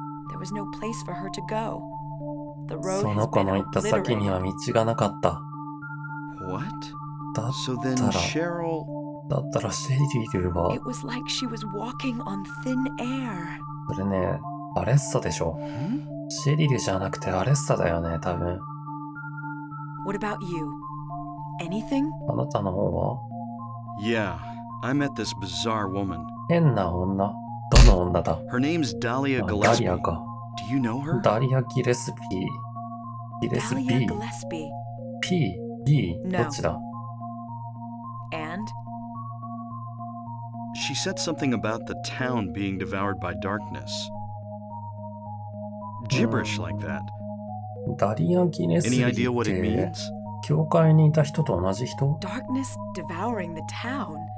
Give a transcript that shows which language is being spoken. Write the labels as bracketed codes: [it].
[en] There was no place for her to go. The road has been obliterated. [ja] その子の行った先には道がなかった。 [en] What? [ja] だったら、 [en] so、Cheryl... [ja] だったらシェリルは。 [en] It was like、she was walking on thin air. [ja] それね、アレッサでしょ。シェリルじゃなくてアレッサだよね、多分。 [en] What about you? Anything? [ja] あなたの方は? [en] Yeah, I met this bizarre woman. [ja] 変な女?どの女だ? [en] Her name's Dahlia Gillespie. [ja] ダリアか。 [en] Do you know her? [ja] ダリア・ギレスピー。ギレスピー。 [en] Dahlia Gillespie. P? B? No. [ja] どっちだ? [en] And? She said something about the town being devoured by darkness. Gibberish like that. [ja] ダリア・ギネスビーって教会にいた人と同じ人? [en] Darkness devouring the town.